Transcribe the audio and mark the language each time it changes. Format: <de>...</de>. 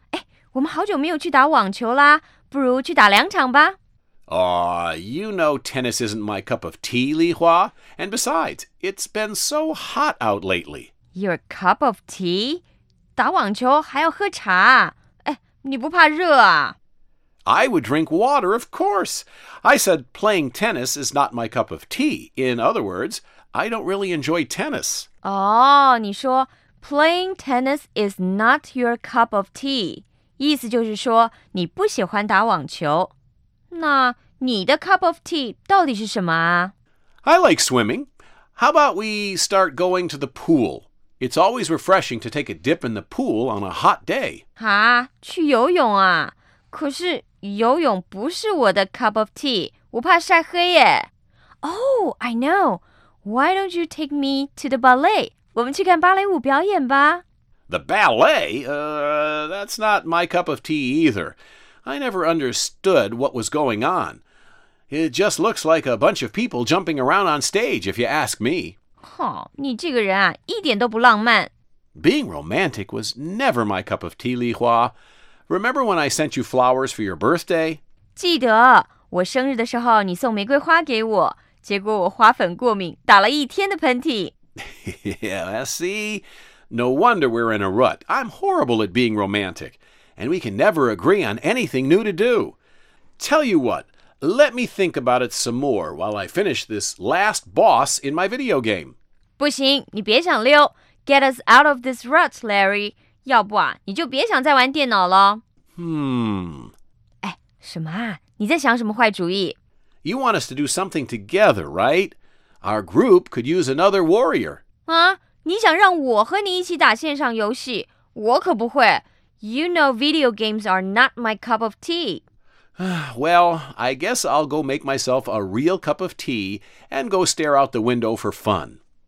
<zh>哎，我们好久没有去打网球啦，不如去打两场吧。</zh> <en>Aw, you know tennis isn't my cup of tea, Li Hua. And besides, it's been so hot out lately.</en> <zh>Your cup of tea? 打网球还要喝茶？哎，你不怕热啊？</zh> <en>I would drink water, of course. I said playing tennis is not my cup of tea. In other words, I don't really enjoy tennis.</en> <zh>哦，你说</zh> <en>playing tennis is not your cup of tea.</en> <zh>意思就是说你不喜欢打网球。那你的 cup of tea 到底是什么啊？</zh> <en>I like swimming. How about we start going to the pool? It's always refreshing to take a dip in the pool on a hot day.</en> <zh>啊，去游泳啊？可是游泳不是我的 cup of tea, 我怕晒黑耶。</zh> <en>Oh, I know. Why don't you take me to the ballet?</en> <zh>我们去看芭蕾舞表演吧。</zh> <en>The ballet? That's not my cup of tea either. I never understood what was going on. It just looks like a bunch of people jumping around on stage, if you ask me.</en> <zh>好，你这个人啊，一点都不浪漫。</zh> <en>Being romantic was never my cup of tea, Li Hua. Remember when I sent you flowers for your birthday?</en> <zh>记得，我生日的时候你送玫瑰花给我，结果我花粉过敏，打了一天的喷嚏。</zh> <en>Yeah, see? No wonder we're in a rut. I'm horrible at being romantic, and we can never agree on anything new to do. Tell you what, let me think about it some more while I finish this last boss in my video game.</en> <zh>不行，你别想溜。</zh> <en>Get us out of this rut, Larry.</en> <zh>要不啊，你就别想再玩电脑了。哎，什么啊？你在想什么坏主意</zh> <en>？You want us to do something together, right? Our group could use another warrior.</en> <zh>啊，你想让我和你一起打线上游戏？我可不会。</zh> <en>You know video games are not my cup of tea. Well, I guess I'll go make myself a real cup of tea and go stare out the window for fun.</en>